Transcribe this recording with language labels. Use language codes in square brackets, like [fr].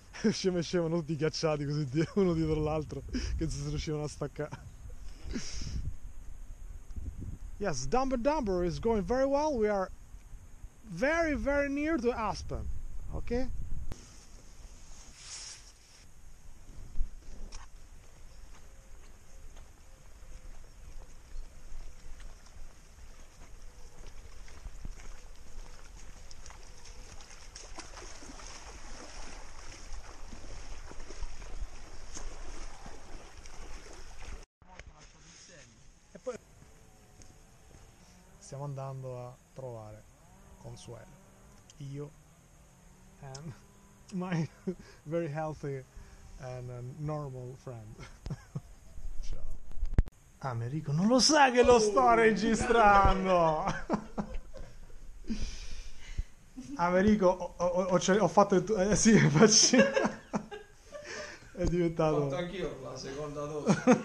[it] Scemo, tutti ghiacciati così, uno dietro l'altro, che non si riuscivano a staccare. [en] Yes, Dumber Dumber is going very well. We are very, very near to Aspen. Okay? [it] stiamo andando a trovare Consuelo. [en] Io and my very healthy and normal friend. [it] Ciao. Ah, Merico, non lo sa che lo sto registrando! Americo, è diventato. Ho fatto anch'io la seconda dose.